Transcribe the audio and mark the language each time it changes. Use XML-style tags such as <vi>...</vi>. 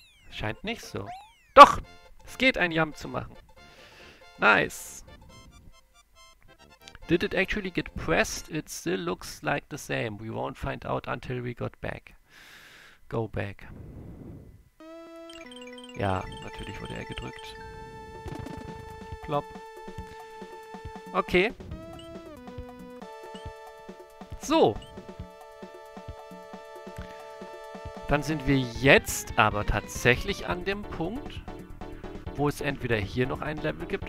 <de>Scheint nicht so. Doch! Es geht, ein Jump zu machen.</de> <en>Nice. Did it actually get pressed? It still looks like the same. We won't find out until we got back. Go back.</en> <de>Ja, natürlich wurde er gedrückt. Plop. Okay. So. Dann sind wir jetzt aber tatsächlich an dem Punkt, wo es entweder hier noch ein Level gibt.</de>